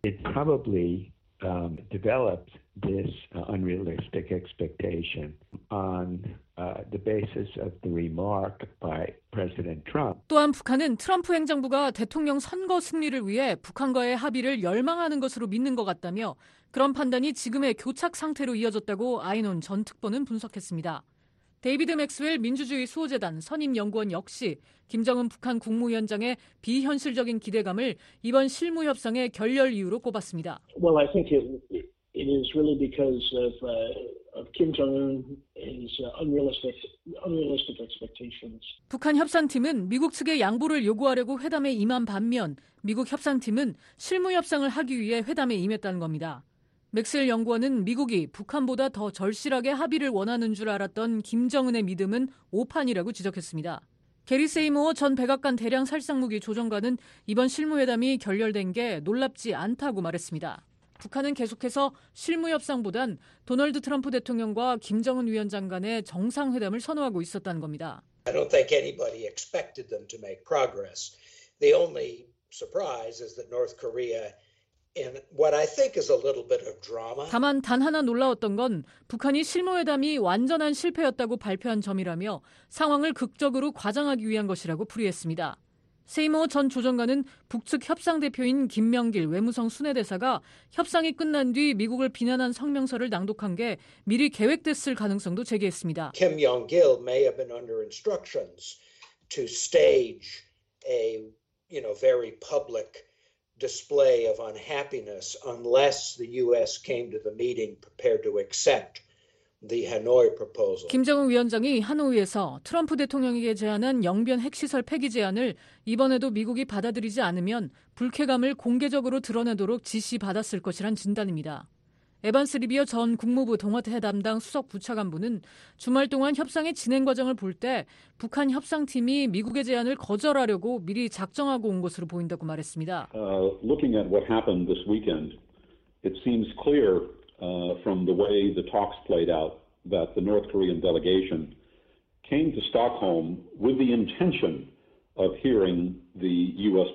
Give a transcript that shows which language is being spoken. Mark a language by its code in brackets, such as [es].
[en] It probably developed this unrealistic expectation on the basis of the remark by President Trump. [ko] 또한 북한은 트럼프 행정부가 대통령 선거 승리를 위해 북한과의 합의를 열망하는 것으로 믿는 것 같다며 그런 판단이 지금의 교착 상태로 이어졌다고 아이논 전 특보는 분석했습니다. 데이비드 맥스웰 민주주의 수호재단 선임 연구원 역시 김정은 북한 국무위원장의 비현실적인 기대감을 이번 실무 협상의 결렬 이유로 꼽았습니다. [en] Well, I think it is really because of Kim Jong-un's unrealistic expectations. [ko] 북한 협상팀은 미국 측의 양보를 요구하려고 회담에 임한 반면 미국 협상팀은 실무 협상을 하기 위해 회담에 임했다는 겁니다. 맥스웰 연구원은 미국이 북한보다 더 절실하게 합의를 원하는 줄 알았던 김정은의 믿음은 오판이라고 지적했습니다. 게리 세이모어 전 백악관 대량 살상무기 조정관은 이번 실무회담이 결렬된 게 놀랍지 않다고 말했습니다. 북한은 계속해서 실무협상보단 도널드 트럼프 대통령과 김정은 위원장 간의 정상회담을 선호하고 있었다는 겁니다. [en] I don't think anybody expected them to make progress. The only surprise is that North Korea And what I think is a little bit of drama. [ko] 다만 단 하나 놀라웠던 건 북한이 실무회담이 완전한 실패였다고 발표한 점이라며 상황을 극적으로 과장하기 위한 것이라고 풀이했습니다. 세이머 전 조정관은 북측 협상 대표인 김명길 외무성 순회대사가 협상이 끝난 뒤 미국을 비난한 성명서를 낭독한 게 미리 계획됐을 가능성도 제기했습니다. [en] Kim Young-gil may have been under instructions to stage a, you know, very public display of unhappiness unless the U.S. came to the meeting prepared to accept the Hanoi proposal. [ko] 김정은 위원장이 하노이에서 트럼프 대통령에게 제안한 영변 핵시설 폐기 제안을 이번에도 미국이 받아들이지 않으면 불쾌감을 공개적으로 드러내도록 지시받았을 것이란 진단입니다. 에반스 리비어 전 국무부 동아태 담당 수석 부차관부는 주말 동안 협상의 진행 과정을 볼 때 북한 협상팀이 미국의 제안을 거절하려고 미리 작정하고 온 것으로 보인다고 말했습니다. [en] Looking at what happened this weekend, it seems clear from the way the talks played out that the North Korean delegation came to Stockholm with the intention of hearing the U.S.